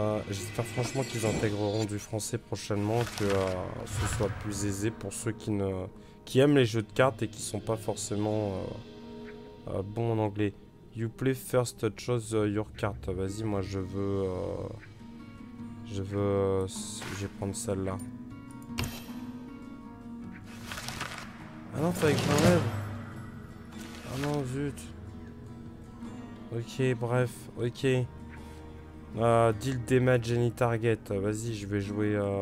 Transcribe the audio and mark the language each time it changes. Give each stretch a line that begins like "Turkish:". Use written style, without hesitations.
French: J'espère franchement qu'ils intégreront du français prochainement, que ce soit plus aisé pour ceux qui aiment les jeux de cartes et qui sont pas forcément bons en anglais.
English: You play first, choose your card.
French: Vas-y, moi je veux. Je vais prendre celle-là. Ah non, fallait que j'enlève. Ah non, zut. Ok, bref. Ok.
English: Deal damage any target.
French: Vas-y, je vais jouer.